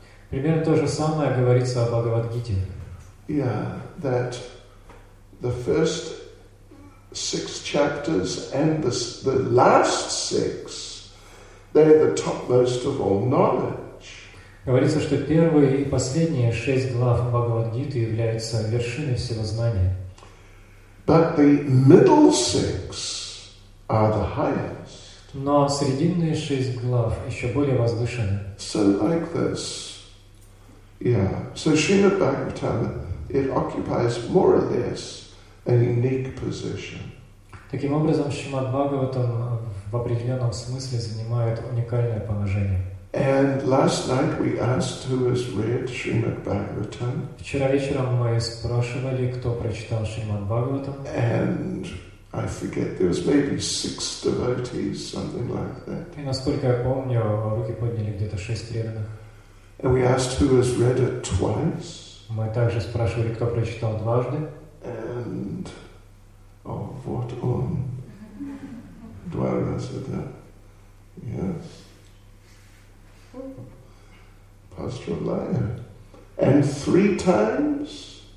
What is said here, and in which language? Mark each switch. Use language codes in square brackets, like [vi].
[ru] Примерно то же самое говорится о Бхагавад-гите. [en] Yeah, that the first six chapters and the last six, they're the topmost of all knowledge. [ru] Говорится, что первые и последние шесть глав Бхагавад-гиты являются вершиной всего знания. [en] But the middle six are the highest. [ru] Но срединные шесть глав еще более возвышены. [en] So like this. Yeah. So Srimad Bhagavatam, it occupies more or less a unique position. [ru] Таким образом, Шримад Бхагаватам в определенном смысле занимает уникальное положение. [en] And last night we asked who has read Srimad Bhagavatam. [ru] Вчера вечером мы спрашивали, кто прочитал Шримад Бхагаватам. [en] And I forget, there was maybe six devotees, something like that. [ru] И насколько я помню, руки подняли где-то шесть преданных. [en] And we asked who has read it twice. [ru] Мы также спрашивали, кто прочитал дважды. [en] And oh, what on Dwara said that? Yes. Pastor Liar. And three times?